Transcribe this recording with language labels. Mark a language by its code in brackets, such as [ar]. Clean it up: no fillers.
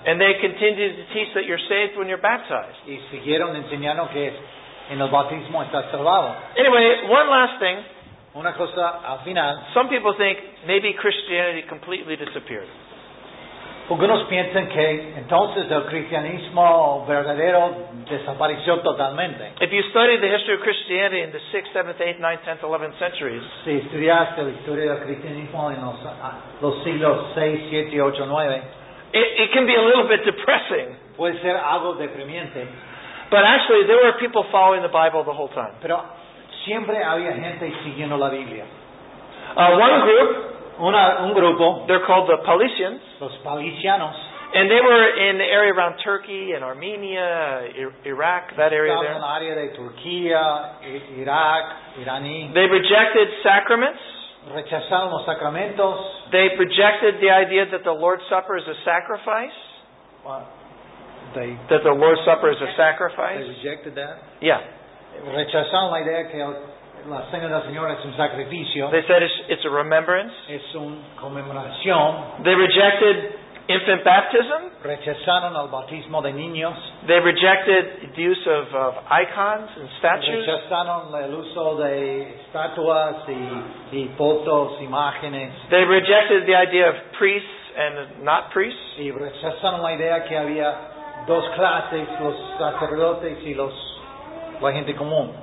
[en] And they continued to teach that you're saved when you're baptized. [es] Y siguieron enseñando que es, en el bautismo está salvado. [en] Anyway, one last thing. [es] Una cosa al final. [en] Some people think maybe Christianity completely disappeared. [es] Algunos piensan que entonces el cristianismo verdadero desapareció totalmente. [en] If you study the history of Christianity in the 6th, 7th, 8th, 9th, 10th, 11th centuries, [es] si estudiaste la historia del cristianismo en los siglos 6, 7, 8, 9, [en] it can be a little bit depressing. [es] Puede ser algo deprimiente. [en] But actually, there were people following the Bible the whole time. [es] Pero siempre había gente siguiendo la Biblia. [en] One group, [es] un grupo, [en] they're called the Paulicians. [es] Los Paulicianos. [en] And they were in the area around Turkey and Armenia, Iraq, that area there. [es] Estaban en la área de Turquía, Irak, Irán. [en] They rejected sacraments. [es] Rechazaron los sacramentos. [en] They rejected the idea that the Lord's Supper is a sacrifice. That the Lord's Supper is a sacrifice. They rejected that. Yeah. [es] Rechazaron la idea que la cena del Señor es un sacrificio. [en] They said it's a remembrance. [es] Es un conmemoración. [en] They rejected infant baptism. [es] Rechazaron el bautismo de niños. [en] They rejected the use of icons and statues. [es] Rechazaron el uso de estatuas y fotos, imágenes. [en] They rejected the idea of priests and not priests. [es] Y rechazaron la idea que había dos clases, los sacerdotes y los la gente común.